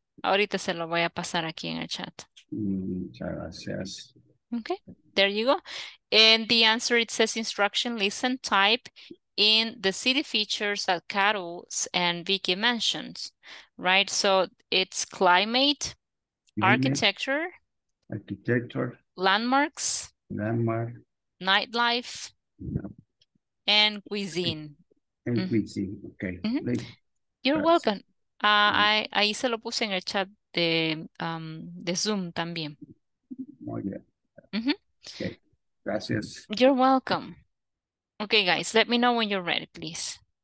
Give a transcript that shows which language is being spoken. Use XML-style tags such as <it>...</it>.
<es>Ahorita se lo voy a pasar aquí en el chat. Muchas gracias.</es> <en>Okay, there you go. And the answer, it says instruction, listen, type in the city features that Carol and Vicky mentioned, right? So it's climate, architecture, landmarks, nightlife, yeah. And cuisine. Cuisine, okay. Mm-hmm. You're welcome.</en> <es>Ahí se lo puse en el chat de Zoom también. Muy bien. Mm-hmm.</es> <en>Okay.</en> <es>Gracias.</es> <en>You're welcome. Okay, guys, let me know when you're ready, please.</en>